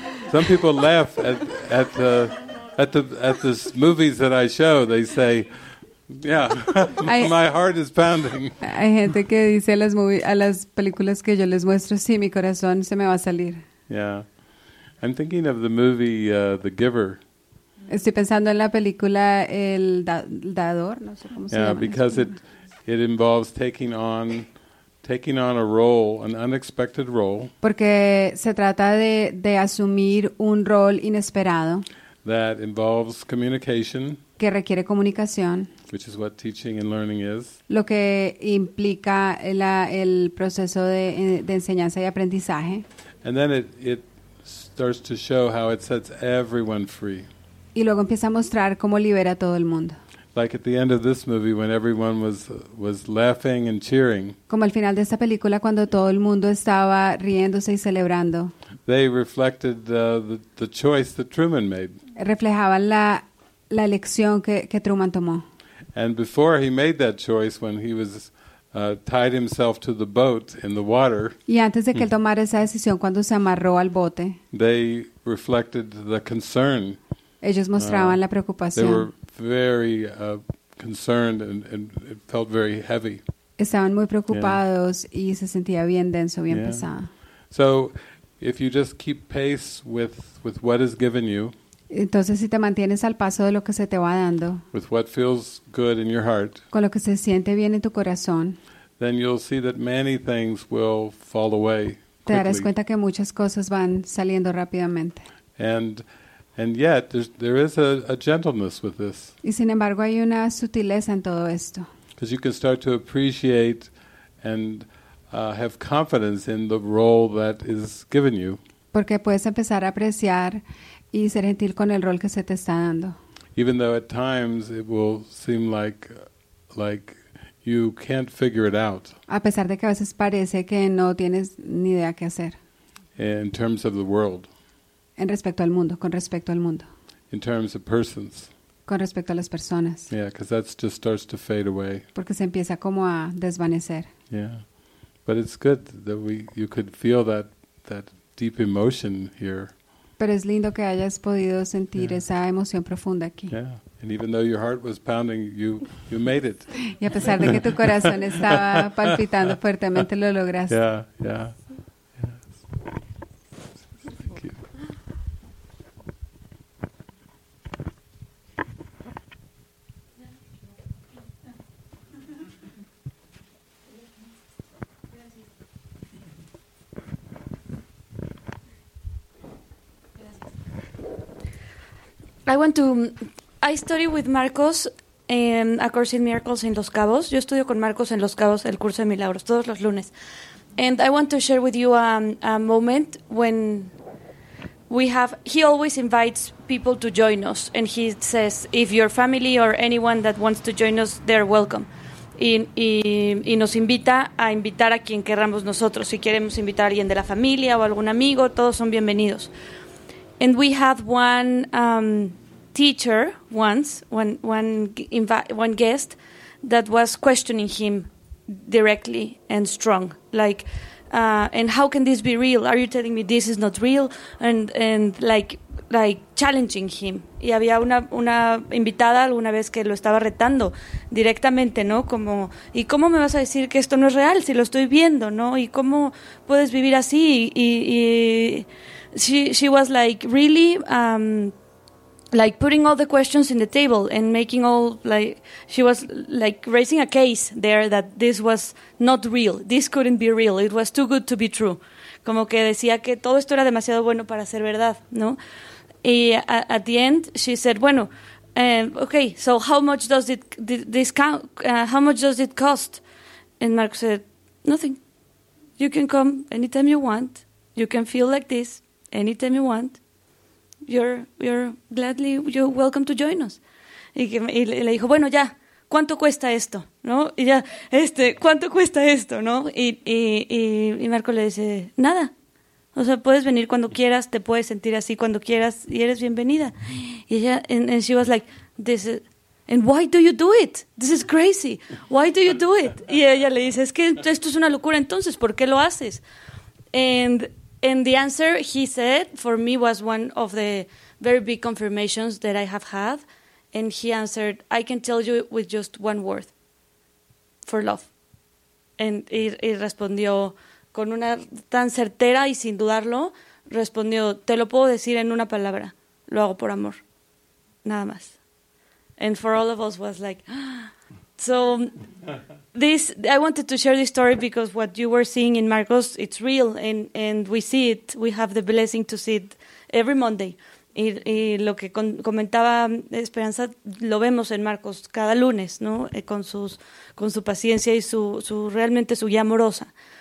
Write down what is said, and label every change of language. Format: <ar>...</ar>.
<en>Some people laugh at this movies that I show. They say, yeah, my heart is pounding.</en> <es>Hay gente que dice a las películas que yo les muestro, sí, mi corazón se me va a salir.</es> <en>Yeah. I'm thinking of the movie The Giver.</en> <es>Estoy pensando en la película El Dador, no sé cómo se llama.</es> <en>Yeah, because it involves taking on a role, an unexpected role.</en> <es>Porque se trata de asumir un rol inesperado.</es> <en>That involves communication.</en> <es>Que requiere comunicación.</es> <en>Which is what teaching and learning is.</en> <es>Lo que implica el proceso de enseñanza y aprendizaje.</es> <en>And then it starts to show how it sets everyone free.</en> <es>Y luego empieza a mostrar cómo libera a todo el mundo.</es> <en>Like at the end of this movie when everyone was laughing and cheering.</en> <es>Como al final de esta película cuando todo el mundo estaba riéndose y celebrando.</es> <en>They reflected the choice that Truman made.</en> <es>Reflejaban la elección que Truman tomó.</es> <en>And before he made that choice when he was tied himself to the boat in the water.</en> <es>Y antes de que él tomara esa decisión cuando se amarró al bote.</es> <en>They reflected the concern.</en> <es>Ellos mostraban la preocupación.</es> <en>They were very concerned and it felt very heavy.</en> <es>Estaban muy preocupados y se sentía bien denso, bien pesado.</es> <en>So if you just keep pace with what is given you.</en> <es>Entonces si te mantienes al paso de lo que se te va dando.</es> <en>With what feels good in your heart.</en> <es>Con lo que se siente bien en tu corazón.</es> <en>Then you'll see that many things will fall away.</en> <es>Te darás cuenta que muchas cosas van saliendo rápidamente.</es> <en>And yet there is a gentleness with this.</en> <es>Y sin embargo hay una sutileza en todo esto.</es> <en>Because you can start to appreciate and have confidence in the role that is given you.</en> <es>Porque puedes empezar a apreciar y ser gentil con el rol que se te está dando.</es> <en>Even though at times it will seem like you can't figure it out.</en> <es>A pesar de que a veces parece que no tienes ni idea qué hacer.</es> <en>In terms of the world.</en> <es>En respecto al mundo, con respecto al mundo.</es> <en>In terms of persons.</en> <es>Con respecto a las personas.</es> <en>Yeah, because that just starts to fade away.</en> <es>Porque se empieza como a desvanecer.</es> <en>Yeah, but it's good that you could feel that deep emotion here.</en> <es>Pero es lindo que hayas podido sentir esa emoción profunda aquí.</es> <en>Yeah, and even though your heart was pounding, you made it.</en> <es>Y a pesar de que tu corazón estaba palpitando fuertemente, lo lograste.</es> <en>Yeah. I study with Marcos A Course in Miracles in Los Cabos.</en> <es>Yo estudio con Marcos en Los Cabos el curso de milagros todos los lunes.</es> <en>And I want to share with you a moment when we have. He always invites people to join us, and he says, if your family or anyone that wants to join us, they're welcome.</en> <es>Y nos invita a invitar a quien queramos nosotros. Si queremos invitar a alguien de la familia o algún amigo, todos son bienvenidos.</es> <en>And we had one teacher once, one guest that was questioning him directly and strong, like, and how can this be real? Are you telling me this is not real? And like like challenging him.</en> <es>Y había una invitada alguna vez que lo estaba retando directamente, ¿no? Como, ¿y cómo me vas a decir que esto no es real si lo estoy viendo, no? ¿Y cómo puedes vivir así?</es> <en>Y she was like really like putting all the questions in the table and making all like she was like raising a case there that this was not real. This couldn't be real. It was too good to be true.</en> <es>Como que decía que todo esto era demasiado bueno para ser verdad, ¿no?</es> <en>Y at the end she said, bueno, okay, so how much does it how much does it cost? And Mark said, nothing. You can come anytime you want. You can feel like this anytime you want. You're gladly you're welcome to join us.</en> <es>Y le dijo, bueno, ya, ¿cuánto cuesta esto? ¿No? Y ya, ¿cuánto cuesta esto? ¿No? Y Marco le dice, nada. O sea, puedes venir cuando quieras, te puedes sentir así cuando quieras y eres bienvenida. Y ella,</es> <en>and she was like, this is, and why do you do it? This is crazy. Why do you do it?</en> <es>Y ella le dice, es que esto es una locura, entonces, ¿por qué lo haces?</es> <en>And the answer he said for me was one of the very big confirmations that I have had. And he answered, I can tell you with just one word. For love. And</en> <es>y respondió con una tan certera y sin dudarlo, respondió, te lo puedo decir en una palabra, lo hago por amor, nada más.</es> <en>And for all of us was like, ah. So this, I wanted to share this story because what you were seeing in Marcos, it's real and we see it, we have the blessing to see it every Monday.</en> <es>Y lo que comentaba Esperanza, lo vemos en Marcos cada lunes, ¿no? Con su paciencia y su realmente su guía amorosa.</es>